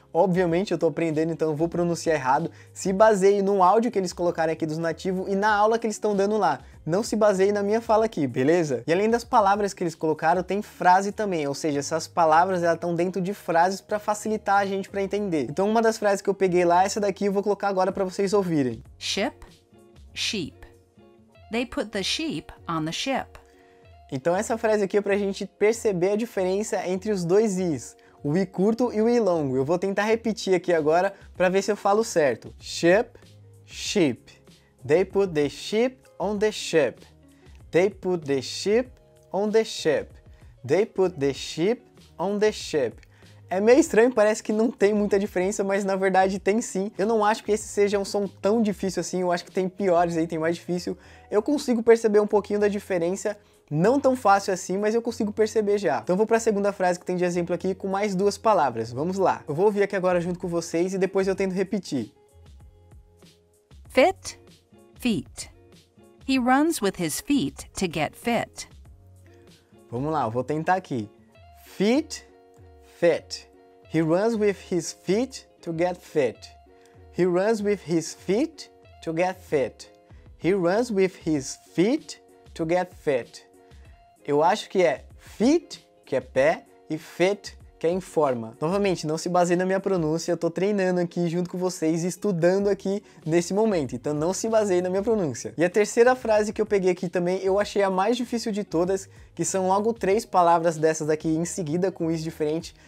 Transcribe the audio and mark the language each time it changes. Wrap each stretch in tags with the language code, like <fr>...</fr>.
<pt>Obviamente eu tô aprendendo, então eu vou pronunciar errado. Se baseie no áudio que eles colocaram aqui dos nativos e na aula que eles estão dando lá. Não se baseie na minha fala aqui, beleza? E além das palavras que eles colocaram, tem frase também. Ou seja, essas palavras elas estão dentro de frases para facilitar a gente para entender. Então uma das frases que eu peguei lá, essa daqui eu vou colocar agora para vocês ouvirem.</pt> <en>Ship, sheep. They put the sheep on the ship.</en> <pt>Então essa frase aqui é pra gente perceber a diferença entre os dois i's, o i curto e o i longo. Eu vou tentar repetir aqui agora para ver se eu falo certo.</pt> <en>Ship, sheep. They put the sheep on the ship. They put the sheep on the ship. They put the sheep on the ship.</en> <pt>É meio estranho, parece que não tem muita diferença, mas na verdade tem sim. Eu não acho que esse seja um som tão difícil assim, eu acho que tem piores aí, tem mais difícil. Eu consigo perceber um pouquinho da diferença, não tão fácil assim, mas eu consigo perceber já. Então vou para a segunda frase que tem de exemplo aqui com mais duas palavras, vamos lá. Eu vou ouvir aqui agora junto com vocês e depois eu tento repetir.</pt> <en>Fit, feet. He runs with his feet to get fit.</en> <pt>Vamos lá, eu vou tentar aqui.</pt> <en>Fit. Fit. He runs with his feet to get fit. He runs with his feet to get fit. He runs with his feet to get fit.</en> <pt>Eu acho que é feet, que é pé, e fit, que é em forma. Novamente, não se baseie na minha pronúncia, eu tô treinando aqui junto com vocês, estudando aqui nesse momento, então não se baseie na minha pronúncia. E a terceira frase que eu peguei aqui também, eu achei a mais difícil de todas, que são logo três palavras dessas aqui em seguida com is diferente.</pt>